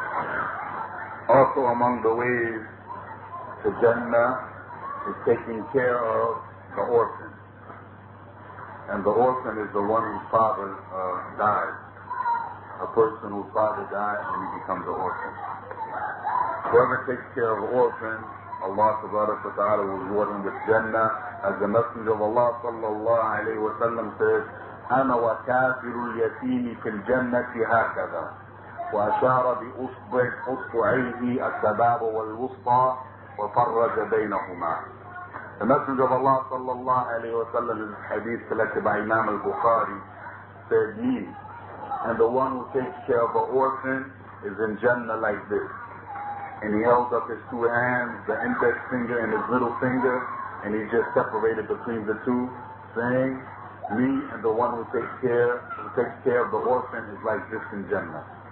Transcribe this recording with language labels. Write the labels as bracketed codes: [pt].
[en] Amen. Also among the ways to Jannah is taking care of the orphan. And the orphan is the one whose father died. A person whose father died and he becomes an orphan. Whoever takes care of an orphan, Allah subhanahu wa ta'ala will reward him with Jannah. As the Messenger of Allah sallallahu alayhi wa sallam says, [ar] أَنَا وَكَافِرُ الْيَتِيمِ فِي الْجَنَّةِ هَكَذَا وَأَشَارَ بِأُصْبُعَيْهِ السَّبَابَ وَالْوُسْطَى وَفَرَّجَ بَيْنَهُمَا. [en] The Messenger of Allah sallallahu alayhi wa sallam, in hadith collected by Imam al-Bukhari, said, me and the one who takes care of an orphan is in Jannah like this. And he held up his two hands, the index finger and his little finger, and he just separated between the two, saying, me and the one who takes care of the orphan is like this in Jannah.